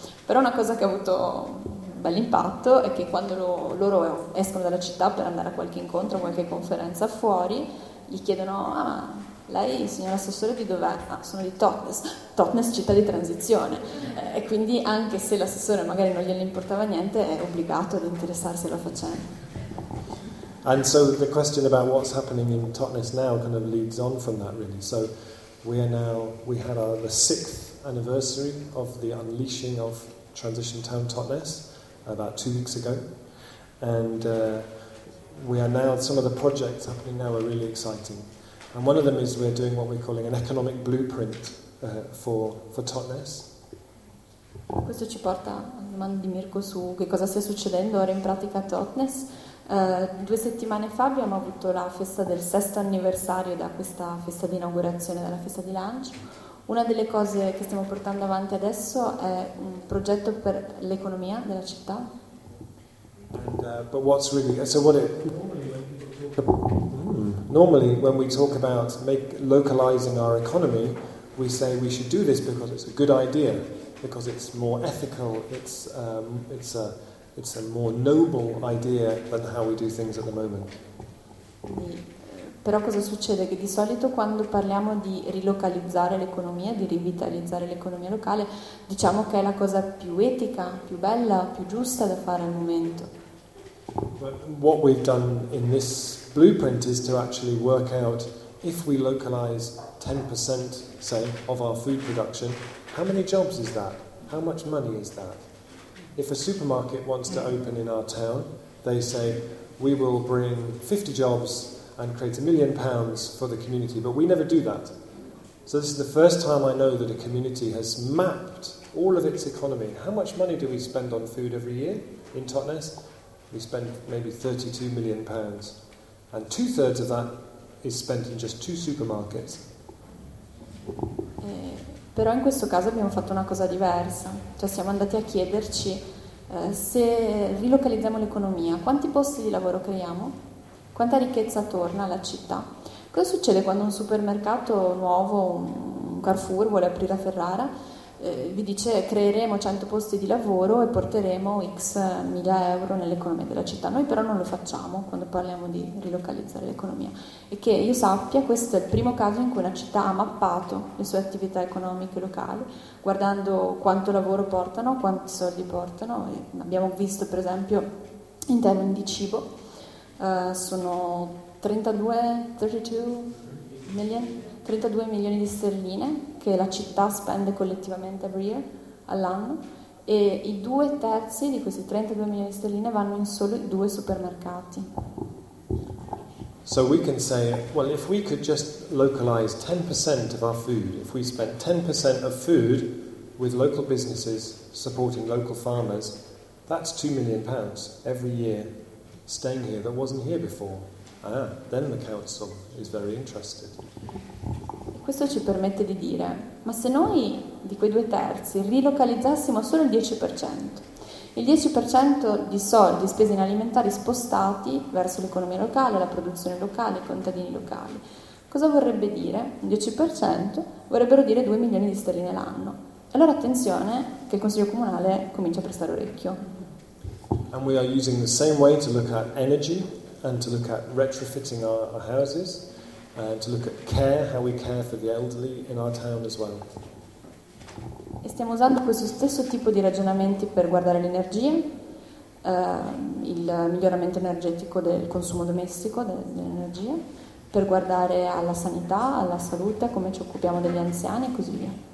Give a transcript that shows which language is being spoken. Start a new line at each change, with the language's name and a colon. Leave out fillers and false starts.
Italian: Però una cosa che ha avuto un bel impatto è che quando loro escono dalla città per andare a qualche incontro, a qualche conferenza fuori, gli chiedono, ah, lei, signor assessore, di dov'è? Ah, sono di Totnes. Totnes, città di transizione. E quindi anche se l'assessore magari non gliene importava niente, è obbligato ad interessarsi alla faccenda.
English: And so the question about what's happening in Totnes now kind of leads on from that, really. So we had the sixth anniversary of the unleashing of Transition Town Totnes about 2 weeks ago, and we are now, some of the projects happening now are really exciting, and one of them is we're doing what we're calling an economic blueprint for Totnes.
Italian: Questo ci porta alla domanda di Mirko su che cosa stia succedendo ora in pratica a Totnes. Due settimane fa abbiamo avuto la festa del sesto anniversario da questa festa di inaugurazione della festa di lancio. Una delle cose che stiamo portando avanti adesso è un progetto per l'economia della città.
English: But what's really so what it normally when we talk about localizing our economy, we say we should do this because it's a good idea, because it's more ethical, it's a more noble idea than how we do things at the moment.
Italian: Però cosa succede? Che di solito quando parliamo di rilocalizzare l'economia, di rivitalizzare l'economia locale, diciamo che è la cosa più etica, più bella, più giusta da fare al momento.
English: But what we've done in this blueprint is to actually work out if we localize 10%, say, of our food production, how many jobs is that? How much money is that? If a supermarket wants to open in our town, they say, we will bring 50 jobs and create £1 million for the community, but we never do that. So this is the first time I know that a community has mapped all of its economy. How much money do we spend on food every year in Totnes? We spend maybe £32 million, and two-thirds of that is spent in just two supermarkets.
Italian: Però in questo caso abbiamo fatto una cosa diversa, cioè siamo andati a chiederci se rilocalizziamo l'economia, quanti posti di lavoro creiamo? Quanta ricchezza torna alla città? Cosa succede quando un supermercato nuovo, un Carrefour, vuole aprire a Ferrara? Vi dice creeremo 100 posti di lavoro e porteremo X mila euro nell'economia della città. Noi però non lo facciamo quando parliamo di rilocalizzare l'economia. E che io sappia, questo è il primo caso in cui una città ha mappato le sue attività economiche locali, guardando quanto lavoro portano, quanti soldi portano. E abbiamo visto, per esempio, in termini di cibo, sono 32 milioni di sterline che la città spende collettivamente
English: every year,
Italian: all'anno, e i due terzi di questi 32 milioni di sterline vanno in soli due supermercati.
English: So we can say, well, if we could just localize 10% of our food, if we spent 10% of food with local businesses supporting local farmers, that's £2 million every year staying here that wasn't here before. Ah, then the council is very interested.
Italian: Questo ci permette di dire, ma se noi di quei due terzi rilocalizzassimo solo il 10% di soldi spesi in alimentari spostati verso l'economia locale, la produzione locale, i contadini locali, cosa vorrebbe dire? Il 10% vorrebbero dire 2 milioni di sterline l'anno. Allora attenzione che il Consiglio Comunale comincia a prestare orecchio.
English: And we are using the same way to look at energy and to look at retrofitting our houses. To look at care, how we care for the elderly in our town as well.
Italian: E stiamo usando questo stesso tipo di ragionamenti per guardare l'energia, il miglioramento energetico del consumo domestico dell'energia, per guardare alla sanità, alla salute, come ci occupiamo degli anziani e così via.